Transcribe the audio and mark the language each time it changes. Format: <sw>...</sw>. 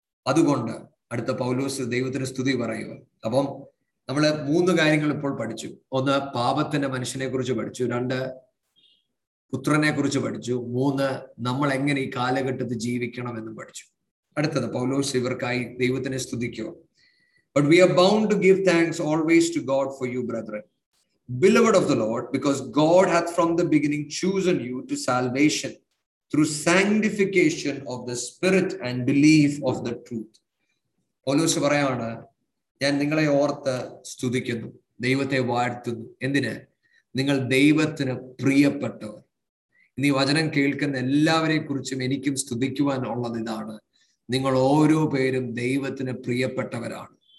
<ml>അതുകൊണ്ട് അടുത്ത പൗലോസ് ദൈവത്തിന് സ്തുതി പറയുക. അപ്പം നമ്മള് മൂന്ന് കാര്യങ്ങൾ ഇപ്പോൾ പഠിച്ചു. ഒന്ന്, പാപത്തിന്റെ മനുഷ്യനെ കുറിച്ച് പഠിച്ചു. രണ്ട്, പുത്രനെ കുറിച്ച് പഠിച്ചു. മൂന്ന്, നമ്മൾ എങ്ങനെ ഈ കാലഘട്ടത്തിൽ ജീവിക്കണം എന്നും പഠിച്ചു. അടുത്തത് പൗലോസ് ഇവർക്കായി ദൈവത്തിനെ സ്തുതിക്കുക.</ml> <en>But we are bound to give thanks always to God for you, brethren, beloved of the Lord, because God hath from the beginning chosen you to salvation through sanctification of the Spirit and belief of the truth.</en> <ml>പൗലോസ് പറയാണ്, ഞാൻ നിങ്ങളെ ഓർത്ത് സ്തുതിക്കുന്നു, ദൈവത്തെ വാഴ്ത്തുന്നു. എന്തിന്? നിങ്ങൾ ദൈവത്തിന് പ്രിയപ്പെട്ടവർ. ഇനി വചനം കേൾക്കുന്ന എല്ലാവരെ കുറിച്ചും എനിക്കും സ്തുതിക്കുവാൻ ഉള്ളത് ഇതാണ്, നിങ്ങൾ ഓരോ പേരും ദൈവത്തിന് പ്രിയപ്പെട്ടവരാണ്.</ml>